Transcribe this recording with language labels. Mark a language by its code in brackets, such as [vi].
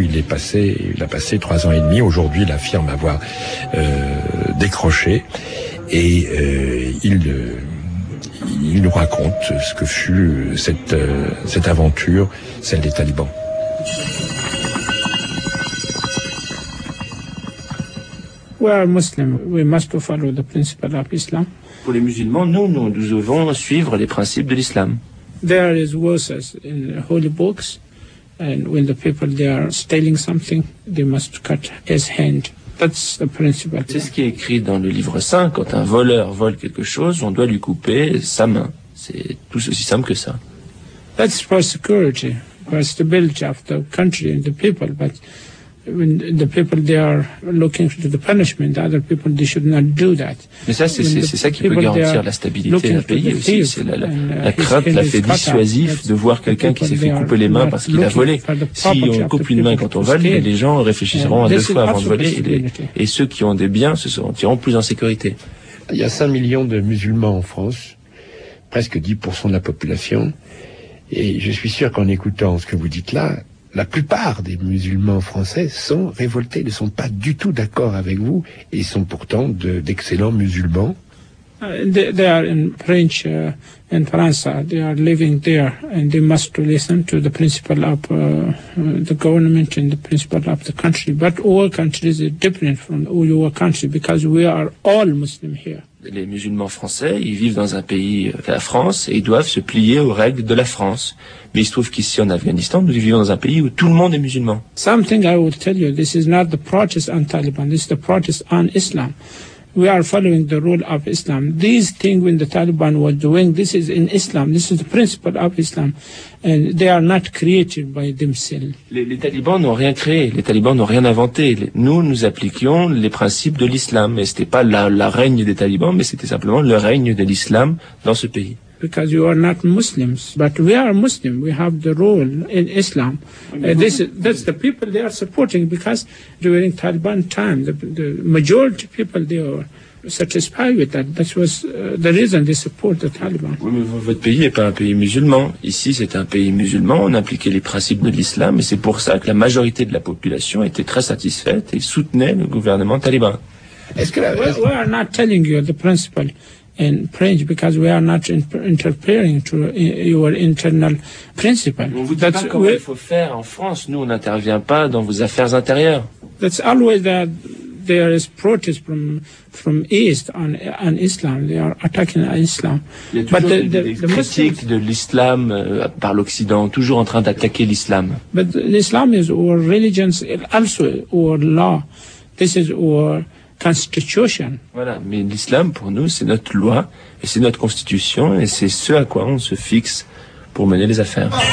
[fr] Il a passé 3 ans et demi. Aujourd'hui, il affirme avoir décroché, et il nous raconte ce que fut cette aventure, celle des talibans. [en] We are Muslim. We must follow the principle of Islam. [fr] Pour les musulmans, nous devons suivre les principes de l'islam. [en] There is verses in holy books, and when the people they are stealing something, they must cut his hand. That's the principle. [fr] C'est ce qui est écrit dans le livre saint. Quand un voleur vole quelque chose, on doit lui couper sa main. C'est tout aussi simple que ça. [en] That's for security, for stability of the country and the people. But when the people they are looking for the punishment, the other people they should not do that. [fr] Mais ça, c'est ça qui peut garantir la stabilité d'un pays aussi. C'est la crainte, l'effet dissuasif de voir quelqu'un qui s'est fait couper les mains parce qu'il a volé. Si on coupe une main quand on vole, les gens réfléchiront à deux fois avant de voler. Et ceux qui ont des biens se sentiront plus en sécurité. Il y a 5 millions de musulmans en France, presque 10% de la population. Et je suis sûr qu'en écoutant ce que vous dites là, la plupart des musulmans français sont révoltés, ne sont pas du tout d'accord avec vous, et sont pourtant d'excellents musulmans. [en] They are in French, in France. They are living there, and they must listen to the principle of the government and the principle of the country. But all countries are different from all your country because we are all Muslim here. [fr] Les musulmans français, ils vivent dans un pays, la France, et ils doivent se plier aux règles de la France. Mais il se trouve qu'ici en Afghanistan, nous vivons dans un pays où tout le monde est musulman. [en] Something I will tell you, this is not the protest on Taliban, this is the protest on Islam. We are following the rule of Islam. These things when the Taliban was doing, this is in Islam, this is the principle of Islam. And they are not created by themselves. [fr] Les talibans n'ont rien créé, les talibans n'ont rien inventé. Nous appliquions les principes de l'islam. Et ce n'était pas la règne des talibans, mais c'était simplement le règne de l'islam dans ce pays. [en] Because you are not Muslims, but we are Muslim. We have the role in Islam. That's the people they are supporting because during Taliban time, the majority people they are satisfied with that. That was the reason they support the Taliban. [fr] Oui, mais votre pays n'est pas un pays musulman. Ici, c'est un pays musulman. On appliquait les principes de l'islam, et c'est pour ça que la majorité de la population était très satisfaite et soutenait le gouvernement taliban. [en] We are not telling you the principle. In French, because we are not interfering to your internal principle. [fr] On vous dit pas comment il faut faire en France. Nous, on n'intervient pas dans vos affaires intérieures. [en] That's always that there is protest from East on Islam. They are attacking Islam. Il y a toujours des critiques de l'islam par l'Occident, toujours en train d'attaquer l'islam. But Islam is our religion, also our law. This is our constitution. [fr] Voilà, mais l'islam pour nous c'est notre loi et c'est notre constitution et c'est ce à quoi on se fixe pour mener les affaires.